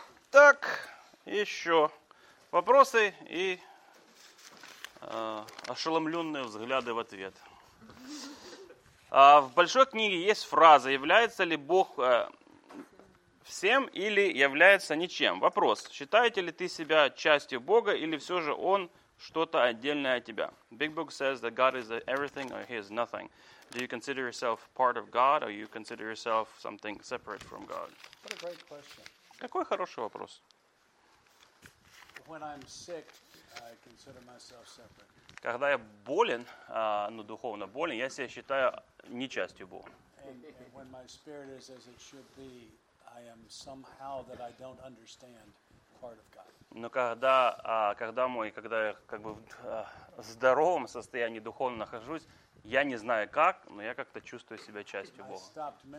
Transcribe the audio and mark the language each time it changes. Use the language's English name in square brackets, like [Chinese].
[Russian] Так, еще вопросы и ошеломленные взгляды в ответ. В большой книге есть фраза, является ли Бог всем или является ничем. Вопрос, считаете ли ты себя частью Бога или все же Он что-то отдельное от тебя? [English] Big Book says that God is everything or He is nothing. Do you consider yourself part of God or you consider yourself something separate from God? What a great question. [Russian] Какой хороший вопрос. [English] When I'm sick, I consider myself separate. [Russian] Когда я болен, ну, духовно болен, я себя считаю не частью Бога. [English] And when my spirit is as it should be, I am somehow that I don't understand part of God. [Russian] Но когда, когда я как бы в здоровом состоянии духовно нахожусь, я не знаю как, но я как-то чувствую себя частью Бога.